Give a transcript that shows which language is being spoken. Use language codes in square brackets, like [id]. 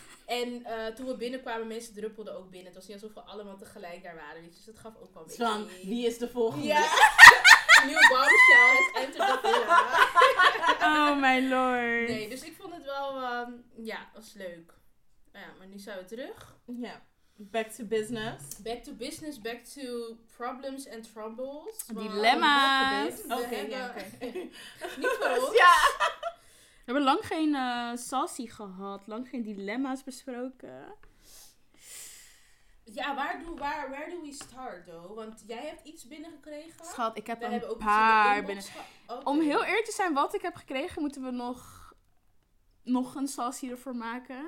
[nl] En toen we binnenkwamen, mensen druppelden ook binnen. Het was niet alsof we allemaal tegelijk daar waren. Weet je. Dus dat gaf ook wel een beetje. Van, wie is de volgende? [en] Ja. Nieuw bombshell is entered the villa. Oh my lord. [nl] Nee, dus ik vond het wel, was leuk. Ja, maar nu zijn we terug. [en] Ja. Back to business. Back to business, back to problems and troubles. [nl] Dilemma's. Oké. Niet voor ons. Ja. We hebben lang geen sassy gehad. Lang geen dilemma's besproken. [en] Ja, where do we start, though? [nl] Want jij hebt iets binnengekregen. Schat, ik heb een paar binnen. Om heel eerlijk te zijn, wat ik heb gekregen, moeten we nog een sassy ervoor maken.